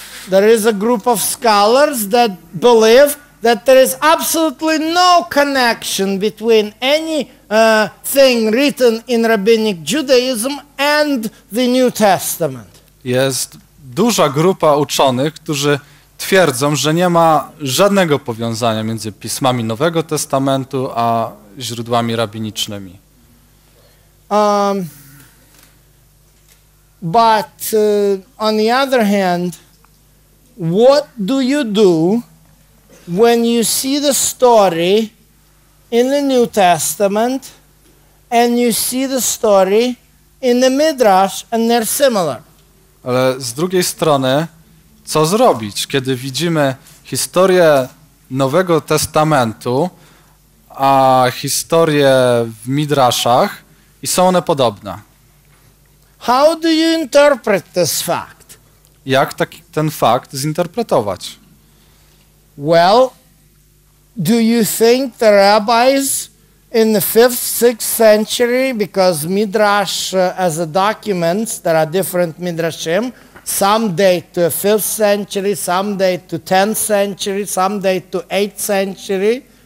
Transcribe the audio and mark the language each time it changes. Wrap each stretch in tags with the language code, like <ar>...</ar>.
<en>There is a group of scholars that believe that there is absolutely no connection between any thing written in rabbinic Judaism and the New Testament.</en> <pl>Jest duża grupa uczonych, którzy twierdzą, że nie ma żadnego powiązania między pismami Nowego Testamentu a źródłami rabinicznymi.</pl> <en>But on the other hand, what do you do when you see the story in the New Testament and you see the story in the Midrash and they're similar?</en> <pl>Ale z drugiej strony, co zrobić, kiedy widzimy historię Nowego Testamentu, a historię w Midraszach i są one podobne?</pl> <en>How do you interpret this fact?</en> <pl>Jak taki ten fakt zinterpretować?</pl> <en>Well, do you think the rabbis in the 5th, 6th century, because Midrash as a document, there are different Midrashim, some date to the 5th century, some date to 10th century, some date to 8th century.</en>